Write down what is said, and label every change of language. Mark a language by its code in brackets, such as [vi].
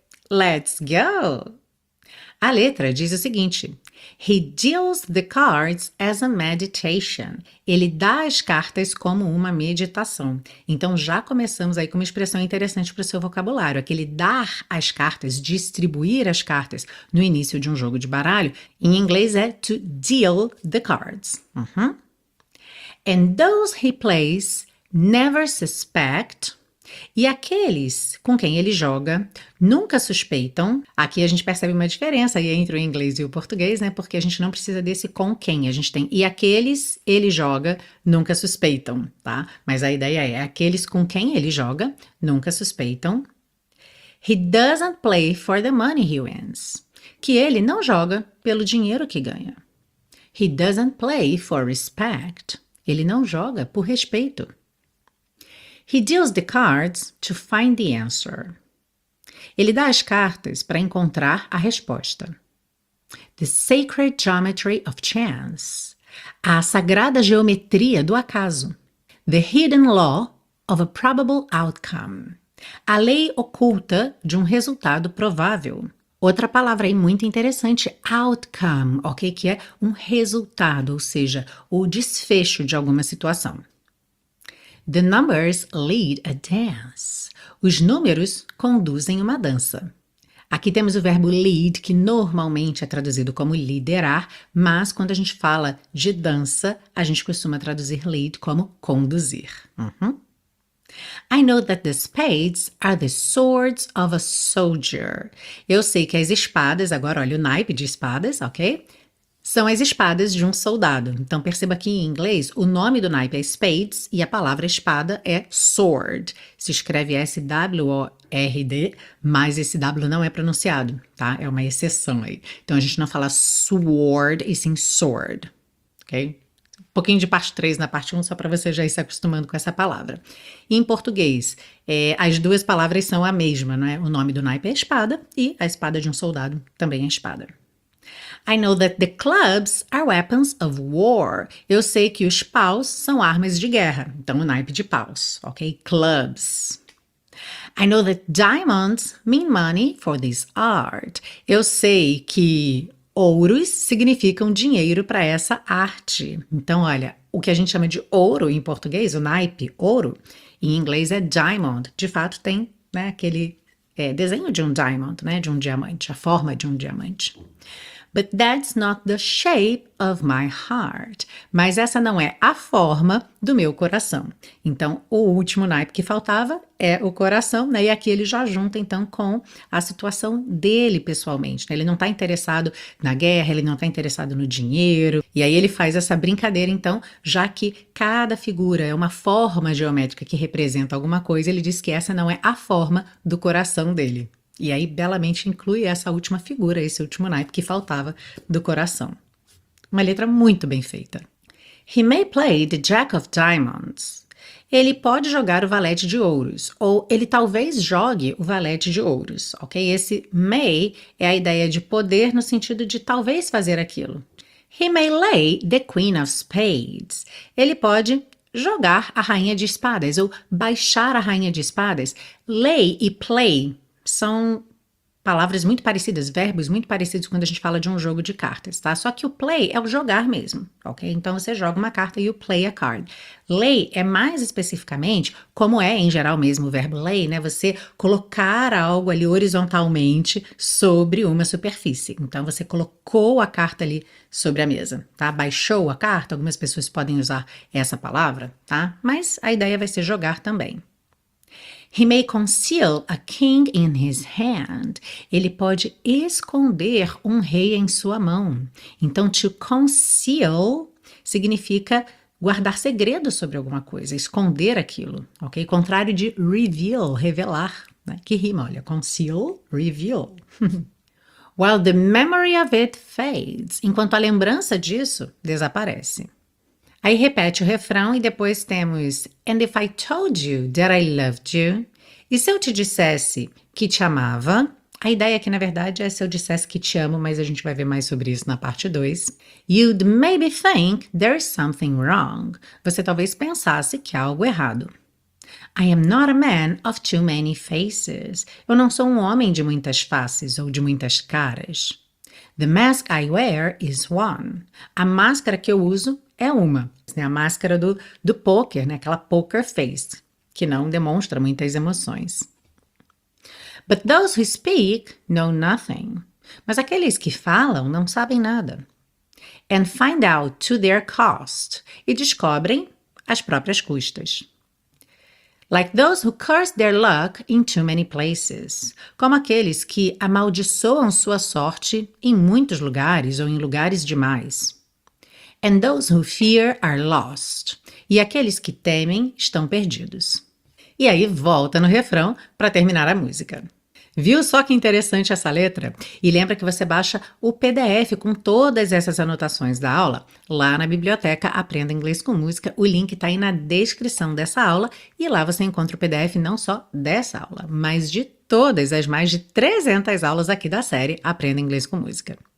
[en] Let's go! [pt] A letra diz o seguinte: [en] He deals the cards as a meditation. [pt] Ele dá as cartas como uma meditação. Então, já começamos aí com uma expressão interessante para o seu vocabulário. Aquele dar as cartas, distribuir as cartas no início de um jogo de baralho, em inglês é to deal the cards. [en] And those he plays never suspect. [pt] E aqueles com quem ele joga nunca suspeitam. Aqui a gente percebe uma diferença aí entre o inglês e o português, né? Porque a gente não precisa desse com quem, a gente tem. E aqueles ele joga nunca suspeitam, tá? Mas a ideia é aqueles com quem ele joga nunca suspeitam. [en] He doesn't play for the money he wins. [pt] Que ele não joga pelo dinheiro que ganha. [en] He doesn't play for respect. [pt] Ele não joga por respeito. [en] He deals the cards to find the answer. [pt] Ele dá as cartas para encontrar a resposta. [en] The sacred geometry of chance. [pt] A sagrada geometria do acaso. [en] The hidden law of a probable outcome. [pt] A lei oculta de um resultado provável. Outra palavra aí muito interessante, outcome, ok? Que é um resultado, ou seja, o desfecho de alguma situação. [en] The numbers lead a dance. [pt] Os números conduzem uma dança. Aqui temos o verbo lead, que normalmente é traduzido como liderar, mas quando a gente fala de dança, a gente costuma traduzir lead como conduzir. [en] I know that the spades are the swords of a soldier. [pt] Eu sei que as espadas, agora olha o naipe de espadas, ok? São as espadas de um soldado. Então, perceba que em inglês, o nome do naipe é spades e a palavra espada é sword. Se escreve S-W-O-R-D, mas esse W não é pronunciado, tá? É uma exceção aí. Então, a gente não fala sword e sim sword, ok? Um pouquinho de parte 3 na parte 1, só para você já ir se acostumando com essa palavra. Em português, as duas palavras são a mesma, não é? O nome do naipe é espada e a espada de um soldado também é espada. [en] I know that the clubs are weapons of war. [pt] Eu sei que os paus são armas de guerra. Então, o naipe de paus, ok? Clubs. [en] I know that diamonds mean money for this art. [pt] Eu sei que ouros significam dinheiro para essa arte. Então, olha, o que a gente chama de ouro em português, o naipe, ouro, Em inglês é diamond. De fato, tem, né, aquele desenho de um diamond, né, de um diamante, a forma de um diamante. [en] But that's not the shape of my heart. [pt] Mas essa não é a forma do meu coração. Então, o último naipe que faltava é o coração, né? E aqui ele já junta então com a situação dele pessoalmente, né? Ele não está interessado na guerra, ele não está interessado no dinheiro. E aí ele faz essa brincadeira então, já que cada figura é uma forma geométrica que representa alguma coisa, ele diz que essa não é a forma do coração dele. E aí, belamente inclui essa última figura, esse último naipe que faltava do coração. Uma letra muito bem feita. [en] He may play the Jack of Diamonds. [pt] Ele pode jogar o valete de ouros, ou ele talvez jogue o valete de ouros, ok? Esse may é a ideia de poder no sentido de talvez fazer aquilo. [en] He may lay the Queen of Spades. [pt] Ele pode jogar a rainha de espadas, ou baixar a rainha de espadas. Lay e play são palavras muito parecidas, verbos muito parecidos quando a gente fala de um jogo de cartas, tá? Só que o play é o jogar mesmo, ok? Então você joga uma carta e [en] you play a card. [pt] Lay é mais especificamente, como é em geral mesmo o verbo lay, né? Você colocar algo ali horizontalmente sobre uma superfície. Então você colocou a carta ali sobre a mesa, tá? Baixou a carta, algumas pessoas podem usar essa palavra, tá? Mas a ideia vai ser jogar também. [en] He may conceal a king in his hand. [pt] Ele pode esconder um rei em sua mão. Então, to conceal significa guardar segredo sobre alguma coisa, esconder aquilo, ok? Contrário de reveal, revelar, né? Que rima, olha, conceal, reveal. [en] While the memory of it fades, [pt] enquanto a lembrança disso desaparece. Aí repete o refrão e depois temos [en] And if I told you that I loved you? [pt] E se eu te dissesse que te amava? A ideia aqui, na verdade, é se eu dissesse que te amo, mas a gente vai ver mais sobre isso na parte 2. [en] You'd maybe think there's something wrong. [pt] Você talvez pensasse que há algo errado. [en] I am not a man of too many faces. [pt] Eu não sou um homem de muitas faces ou de muitas caras. [en] The mask I wear is one. [pt] A máscara que eu uso é uma. É a máscara do poker, né? Aquela poker face, que não demonstra muitas emoções. [en] But those who speak know nothing. [pt] Mas aqueles que falam não sabem nada. [en] And find out to their cost. [pt] E descobrem às próprias custas. [en] Like those who curse their luck in too many places. [pt] Como aqueles que amaldiçoam sua sorte em muitos lugares ou em lugares demais. [en] And those who fear are lost. [pt] E aqueles que temem estão perdidos. E aí volta no refrão para terminar a música. Viu só que interessante essa letra? E lembra que você baixa o PDF com todas essas anotações da aula lá na biblioteca Aprenda Inglês com Música. O link está aí na descrição dessa aula e lá você encontra o PDF não só dessa aula, mas de todas as mais de 300 aulas aqui da série Aprenda Inglês com Música.